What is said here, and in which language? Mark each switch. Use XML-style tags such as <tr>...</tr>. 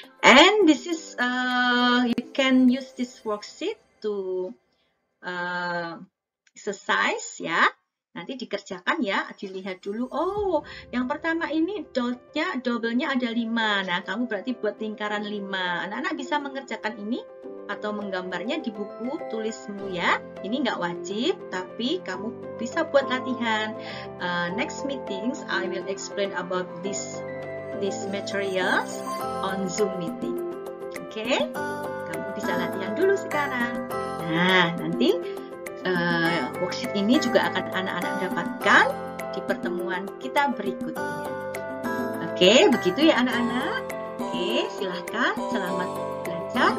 <en>And this is you can use this worksheet to exercise ya.</en> <id>Nanti dikerjakan ya, dilihat dulu. Oh, yang pertama ini dotnya, double-nya ada 5. Nah, kamu berarti buat lingkaran 5. Anak-anak bisa mengerjakan ini atau menggambarnya di buku tulismu ya. Ini nggak wajib, tapi kamu bisa buat latihan.</id> <en>Next meetings, I will explain about this materials on Zoom meeting. Oke, okay?</en> <id>Kamu bisa latihan dulu sekarang. Nah, nanti worksheet ini juga akan anak-anak dapatkan di pertemuan kita berikutnya. Oke, begitu ya anak-anak. Oke, silahkan selamat belajar.</id>